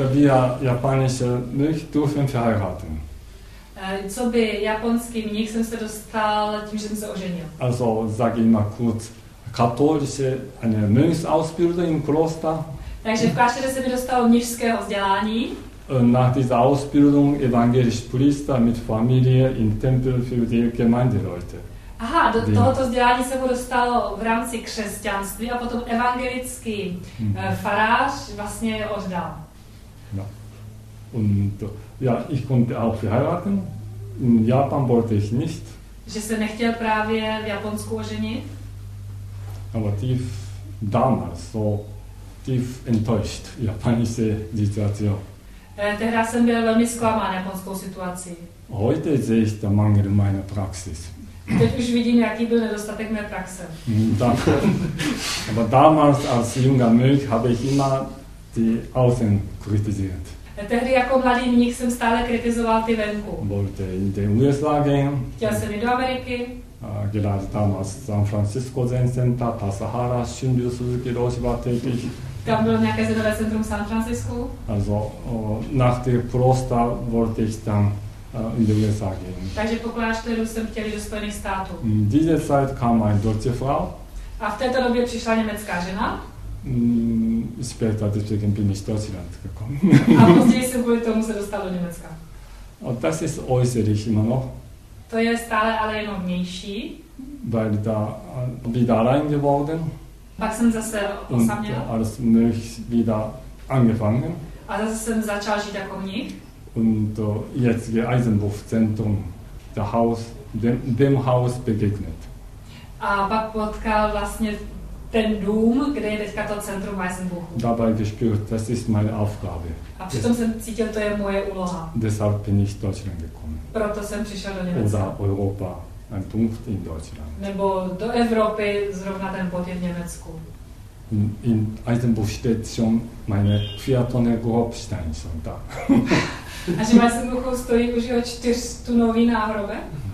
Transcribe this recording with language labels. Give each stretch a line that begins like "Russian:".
German: Wir japanische Mönch dürfen verheiraten.
Czech: Co by japonský mnich jsem se dostal tím, že jsem se oženil.
German: Also, sag ich mal kurz, katholische, eine Mönchsausbildung im Kloster.
Czech: Takže v klášteru se mi dostalo mnichského vzdělání.
German: Nach dieser Ausbildung evangelisch Priester mit Familie in Tempel für die Gemeindeleute.
Czech: Aha, do tohoto vzdělání se mu dostalo v rámci křesťanství a potom evangelický farář vlastně oddal. No.
German: Und ja, ich konnte auch verheiraten. In Japan wollte ich nicht.
Czech: Že se nechtěl právě v Japonsku oženit?
German: Aber tief damals, so tief enttäuscht, japanische Situation.
Czech: Tehda jsem byl velmi zklamán japonskou situací.
German: Heute sehe ich den Mangel meiner Praxis.
Czech: Teď už vidím, jaký byl nedostatek mé praxe.
German: Aber damals als junger Mönch habe ich immer die Außen kritisiert.
Czech: Tehdy jako mladý mnich jsem stále kritizoval ty venku.
German: Wollte in den USA gehen.
Czech: Chtěl jsem jít do Ameriky.
German: Gerade damals San Francisco Zen Center, Tassahara, Shunryu Suzuki, Roshi war tätig.
Czech: Tam bylo nějaké zedové centrum San Francisco.
German: Also, nach dem Kloster wollte ich dann in den USA gehen.
Czech: Takže po klášteru jsem chtěl do Spojených států.
German: In dieser Zeit kam eine deutsche Frau.
Czech: A v této době přišla německá žena.
German: Später deswegen bin ich Deutschland gekommen.
Czech: A později jsem kvůli tomu se dostal do Německa.
German: Und das ist äußerlich immer noch.
Czech: To je stále ale jenom vnější.
German: Weil da wieder allein geworden.
Czech: Pak jsem zase osaměl.
German: Und als Mönch wieder angefangen.
Czech: A zase jsem začal žít jako mnich.
German: Und jetzt die Eisenhof Zentrum, der Haus, dem Haus begegnet.
Czech: A pak potkal vlastně ten dům, kde je teďka to centrum Eisenbuchu.
German: Dabei gespürt, das ist meine Aufgabe.
Czech: A přitom jsem cítil, to je moje úloha.
German: Deshalb bin ich Deutschland gekommen.
Czech: Proto jsem přišel do Německa.
German: Oder Europa, ein Punkt in Deutschland.
Czech: Nebo do Evropy, zrovna ten bod je v Německu.
German: In Eisenbuch steht schon meine Viertonne Grobstein schon da.
Czech: A že v Eisenbuchu stojí už jeho čtyřtunový náhrobek?